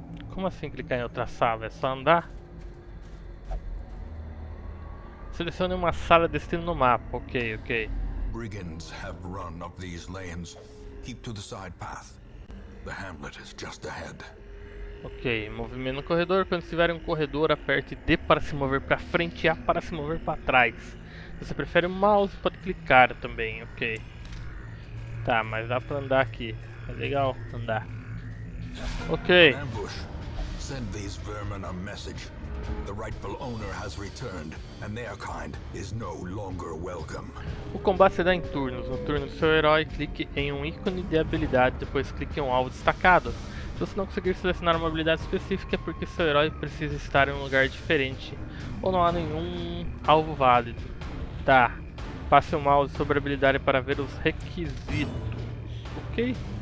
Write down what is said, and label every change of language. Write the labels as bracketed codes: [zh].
[pt] Como assim clicar em outra sala? É só andar? Selecione uma sala de destino no mapa. Ok, ok. [en] Brigands have run up these lanes. Keep to the side path. The hamlet is just ahead. [pt] Ok, movimento no corredor. Quando tiver um corredor, aperte D para se mover para frente e A para se mover para trás. Se você prefere o mouse, pode clicar também. Ok. Tá, mas dá para andar aqui. É legal andar. Ok. [en] Ambush. Send these vermin a message. The rightful owner has returned, and their kind is no longer welcome. [pt] O combate se dá em turnos. No turno do seu herói, clique em um ícone de habilidade, depois clique em um alvo destacado. Se você não conseguir selecionar uma habilidade específica, é porque seu herói precisa estar em um lugar diferente, ou não há nenhum alvo válido. Tá, passe o mouse sobre a habilidade para ver os requisitos. Ok?